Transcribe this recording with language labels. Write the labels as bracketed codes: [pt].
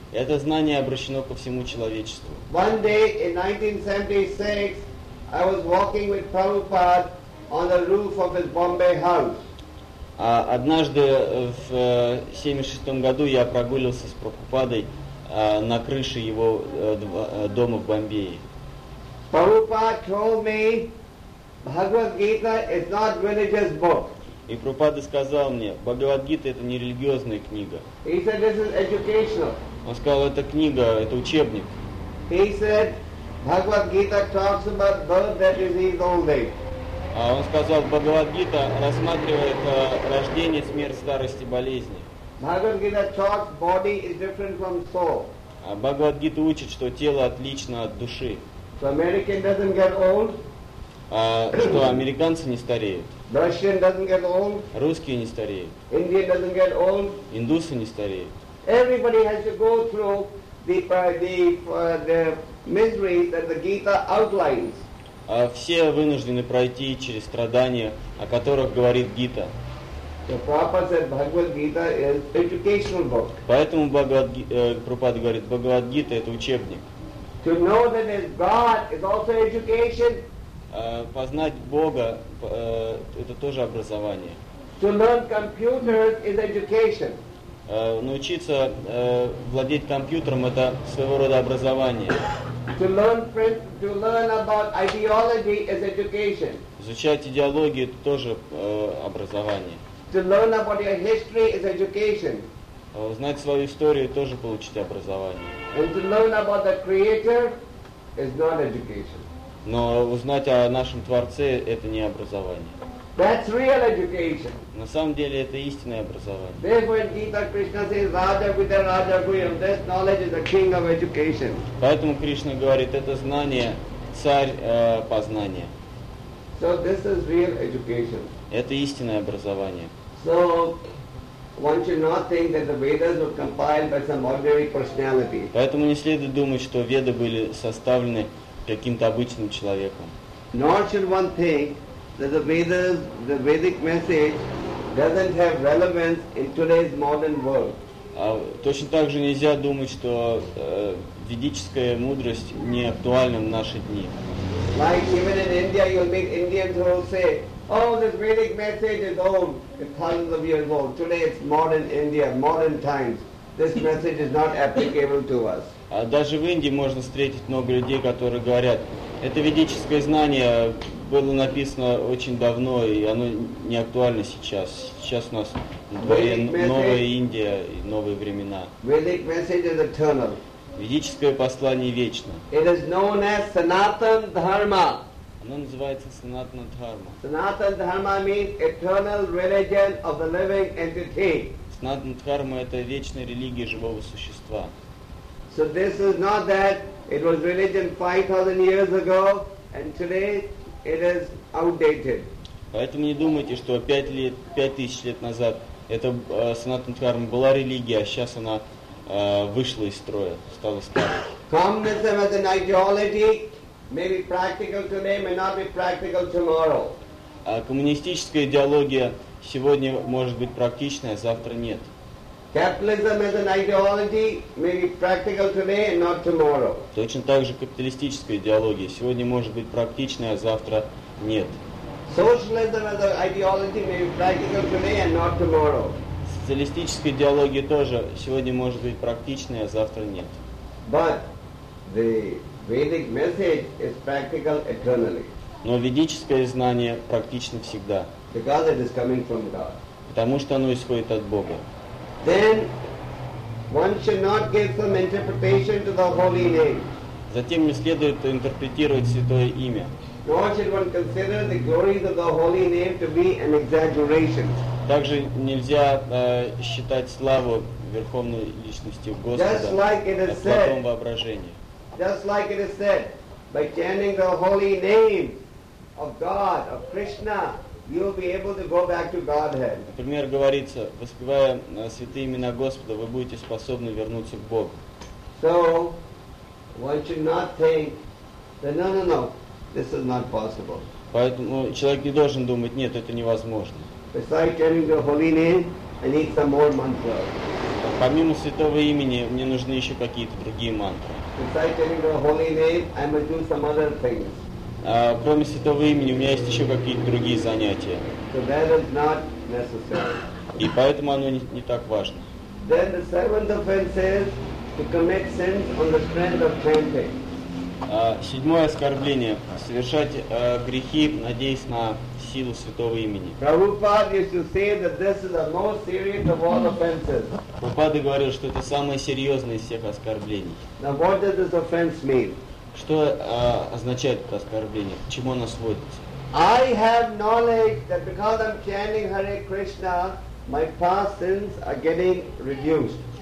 [ru] Это знание обращено ко всему человечеству. [en] One day in 1976, I was walking with Prabhupada on the roof of his Bombay house. [ru] А однажды в 76 году я прогуливался с Прабхупадой на крыше его дома в Бомбее. [en] Prabhupada told me Bhagavad Gita is not religious book. [ru] И Прабхупада сказал мне, Бхагавад-гита это не религиозная книга. [en] He said, this is educational. [ru] Он сказал, это книга, это учебник. [en] He said, Bhagavad-gita talks about birth, that is his old age. [ru] А он сказал, Бхагавад-гита рассматривает рождение, смерть, старость и болезни. [en] Bhagavad-gita talks body is different from soul. [ru] А Бхагавад-гита учит, что тело отлично от души. [en] So American doesn't get old. [ru] Что американцы не стареют. [en] Russian doesn't get old. [ru] Русские не стареют. [en] Indian doesn't get old. [ru] Индусы не стареют. [en] Everybody has to go through the misery that the Gita outlines. [ru] Все вынуждены пройти через страдания, о которых говорит Гита. [en] So Prabhupada said Bhagavad Gita is educational book. [ru] Поэтому Прабхупада говорит, Бхагавад Гита это учебник. [en] To know that is God is also education. [ru] Познать Бога это тоже образование. [en] To learn computers is education. [ru] Научиться владеть компьютером это своего рода образование. [en] To learn about ideology is education. [ru] Изучать идеологию это тоже образование. [en] To learn about your history is education. [ru] Узнать свою историю тоже получить образование. [en] And to learn about the creator is not education. [ru] Но узнать о нашем Творце – это не образование. [en] That's real education. [ru] На самом деле это истинное образование. [en] Therefore, Gita Krishna says, [sa] "Radha Vidya Radha Guyam." [en] This knowledge is the king of education. [ru] Поэтому Кришна говорит, это знание царь познания. [en] So this is real education. [ru] Это истинное образование. [en] So one should not think that the Vedas were compiled by some ordinary personality. [ru] Поэтому не следует думать, что Веды были составлены каким-то обычным человеком. [en] Nor should one think that the Vedas, the Vedic message, doesn't have relevance in today's modern world. [ru] Точно так же нельзя думать, что ведическая мудрость не актуальна в наши дни. [en] Like even in India, you'll meet Indians who will say, "Oh, this Vedic message is old, it's thousands of years old. Today it's modern India, modern times. This message is not applicable to us." [ru] Даже в Индии можно встретить много людей, которые говорят, это ведическое знание было написано очень давно, и оно не актуально сейчас. Сейчас у нас новая Индия и новые времена. [en] Vedic message is eternal. [ru] Ведическое послание вечно. [en] It is known as Sanatan Dharma. [ru] Оно называется Sanatana Dharma. [en] Sanatana Dharma means eternal religion of the living entity. [ru] Sanatana Dharma – это вечная религия живого существа. [en] So this is not that it was religion 5,000 years ago and today it is outdated. [ru] Поэтому не думайте, что 5000 лет назад это Санатана Дхарма была религия, а сейчас она вышла из строя, стала старой. [en] Communism as an ideology may be practical today, may not be practical tomorrow. [ru] Коммунистическая идеология сегодня может быть практичной, а завтра нет. [en] Capitalism as an ideology may be practical today and not tomorrow. [ru] Точно так же капиталистическая идеология сегодня может быть практичной, а завтра нет. [en] Socialism as an ideology may be practical today and not tomorrow. [ru] Социалистическая идеология тоже сегодня может быть практичной, а завтра нет. [en] But the Vedic message is practical eternally. [ru] Но ведическое знание практично всегда. [en] Because it is coming from God. [ru] Потому что оно исходит от Бога. [en] Then one should not give some interpretation to the holy name. [ru] Затем не следует интерпретировать святое имя. [en] Nor should one consider the glories of the holy name to be an exaggeration. [ru] Также нельзя считать славу верховной личности Господа. [en] Just like it is said. [ru] Плотом воображения. [en] Just like it is said, by chanting the holy name of God, of Krishna, you'll be able to go back to Godhead. [ru] Например, говорится, воспевая святые имена Господа, вы будете способны вернуться к Богу. [en] So, one should not think that no, this is not possible. [ru] Поэтому человек не должен думать, нет, это невозможно. [en] Besides chanting the holy name, I need some more mantra. [ru] Помимо святого имени, мне нужны еще какие-то другие мантры. [en] Besides chanting the holy name, I must do some other things. [ru] Кроме святого имени, у меня есть еще какие-то другие занятия. [en] So that is not necessary. [ru] И поэтому оно не так важно. [en] Then the seventh offense is to commit sins on the strength of chanting. [ru] Седьмое оскорбление. Совершать грехи, надеясь на силу святого имени. Прабхупада говорил, что это самое серьезное из всех оскорблений. [en] Now, what does this offense mean? [ru] Что означает это оскорбление? К чему оно сводится? [en] I have knowledge that because I'm chanting Hare Krishna, my past sins are getting reduced.